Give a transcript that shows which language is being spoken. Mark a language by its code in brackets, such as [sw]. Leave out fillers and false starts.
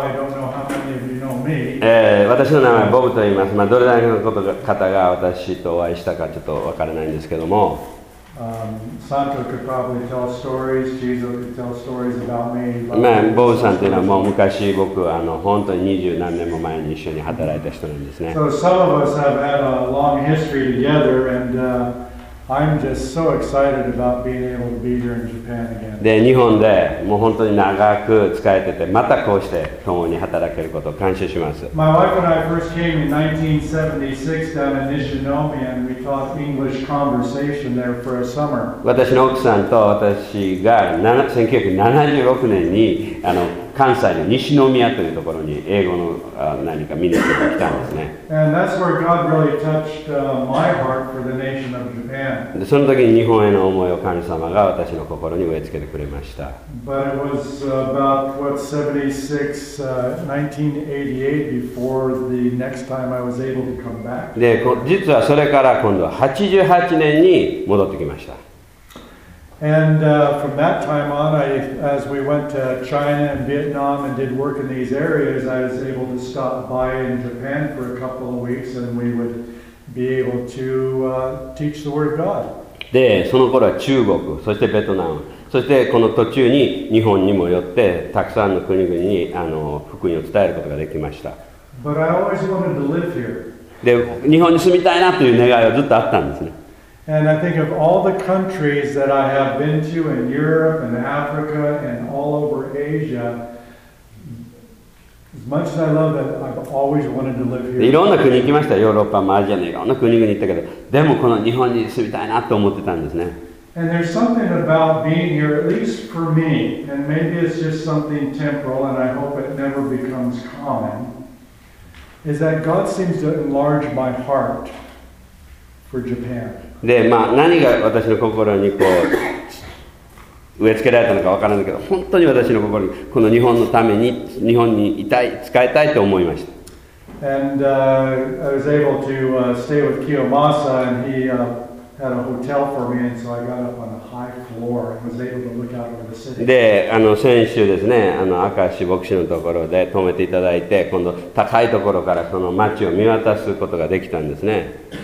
[en] I don't know how many of you know me. [ja] 私の名前はボブと言います。まあどれだけの方が私とお会いしたかちょっと分からないんですけども。 [en] Santo could probably tell stories. Jesus could tell stories about me. [ja] まあボブさんというのはもう昔僕本当に二十何年も前に一緒に働いた人なんですね。 [en] So some of us have had a long history together and. I'm just so excited about being able to be here in Japan again. [ja] で、日本でもう本当に長く使えてて、またこうして共に働けることを感謝します。 [en] My wife and I first came in 1976 down in Nishinomiya and we taught English conversation there for a summer. [ja] 私の奥さんと私が1976年に関西の西宮というところに英語の何か見に来たんですね。 [en] And that's where God really touched my heart for the nation of Japan. [ja] で、その時に日本への思いを神様が私の心に植え付けてくれました。 [en] But it was about what 76, 1988 before the next time I was able to come back. [ja] で、実はそれから今度は88年に戻ってきました。 [en] And from that time on, as we went to China and Vietnam and did work in these areas, I was able to stop by in Japan for a couple of weeks, and we would be able to teach the word of God. [ja] で、その頃は中国、そしてベトナム、そしてこの途中に日本にも寄って、たくさんの国々に福音を伝えることができました。 [en] But I always wanted to live here. [ja] で、日本に住みたいなという願いはずっとあったんですね。 [en] And I think of all the countries that I have been to in Europe and Africa and all over Asia, as much as I love it, I've always wanted to live here. [ja] いろんな国行きました。ヨーロッパもアジアのいろんな国々行ったけど、でもこの日本に住みたいなと思ってたんですね。 [en] And there's something about being here, at least for me, and maybe it's just something temporal, and I hope it never becomes common, is that God seems to enlarge my heart for Japan. [ja] で、まあ、何が私の心にこう植え付けられたのか分からないけど、本当に私の心にこの日本のために、日本にいたい、使いたいと思いました。 [en] And, I was able to, stay with Kiyomasa and he, had a hotel for me and so I got up on a high floor and was able to look out over the city. [ja] で、先週ですね、明石牧師のところで泊めていただいて、今度高いところからその町を見渡すことができたんですね。